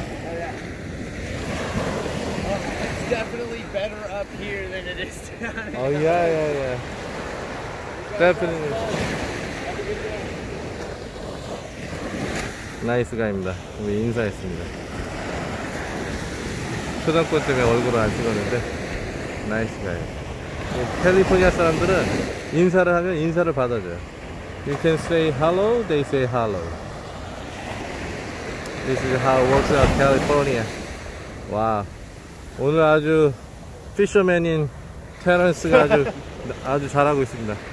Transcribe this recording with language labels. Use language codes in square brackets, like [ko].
[en] Oh, yeah. Well, it's definitely better up here than it is down here. Oh, yeah, yeah, yeah. Definitely. Nice guy [ko] 입니다. 우리 인사했습니다. 초등학교 때문에 얼굴을 안 찍었는데 [en] Nice guy. [ko] 캘리포니아 사람들은 인사를 하면 인사를 받아줘요. [en] You can say hello, they say hello. This is how it works out California. Wow. [ko] 오늘 아주 피셔맨인 테런스가 아주 아주 잘하고 있습니다.